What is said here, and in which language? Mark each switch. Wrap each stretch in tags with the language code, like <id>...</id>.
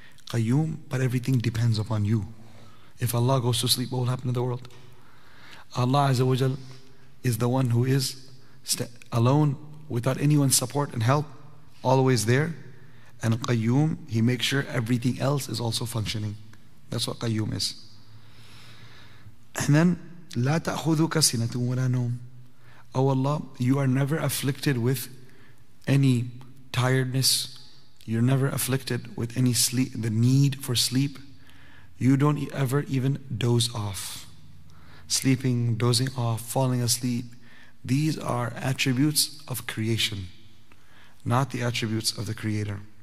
<en>Qayyum, but everything depends upon you. If Allah goes to sleep, what will happen to the world? Allah Azza wa Jal is the one who is alone without anyone's support and help, always there. And Qayyum, He makes sure everything else is also functioning. That's what Qayyum is. And then,</en> <ar>لا تأخذك سنة ولا نوم.</ar> <en>Oh Allah, you are never afflicted with any tiredness. You're never afflicted with any sleep, the need for sleep. You don't ever even doze off. Sleeping, dozing off, falling asleep, these are attributes of creation, not the attributes of the Creator.</en>